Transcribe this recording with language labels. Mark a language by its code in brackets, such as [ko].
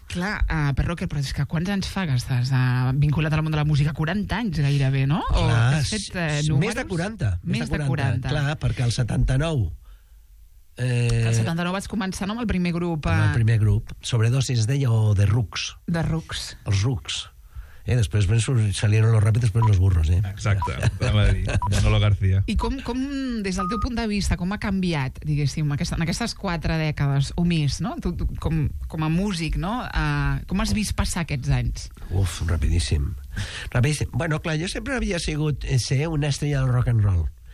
[ca] Clar, per Rocker, però és que quants anys fa que estàs vinculat al món de la música? 40 anys gairebé, no? Clar, o fet, més de 40. Més de 40. Clar, perquè el 79... El 79 vaig començar, no, amb el primer grup. Amb el primer grup. Sobredosis es deia, o de Rucs. De Rucs. Els Rucs. Després [es] salieron los rápidos, después los burros, ¿eh? [ca] Exacte, ja. Manolo García. I com, des del teu punt de vista, com ha canviat, diguéssim, en aquestes quatre dècades o més, no? Tu com a músic, no? Com has vist passar aquests anys? Uf, rapidíssim. Rapidíssim. Bueno, clar, jo sempre havia sigut una estrella del rock and roll.